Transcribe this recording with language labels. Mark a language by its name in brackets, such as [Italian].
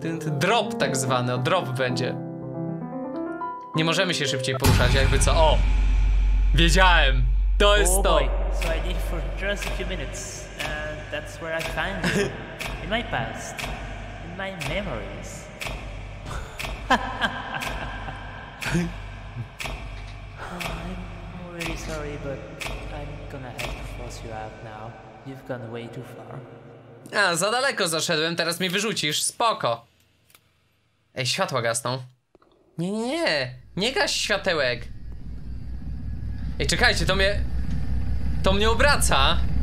[Polish] Drop tak zwany, o drop będzie. Nie możemy się szybciej poruszać, jakby co, o! Wiedziałem! To jest to! [English] So I did for just a few minutes, and that's where I found you. In my past. In my memories. I'm really sorry, but I'm gonna have to force you out now. You've gone way too far. [Polish] A, za daleko zaszedłem, teraz mi wyrzucisz, spoko. Ej, światła gasną. Nie, nie, nie, nie gaś światełek. Ej, czekajcie, to mnie obraca.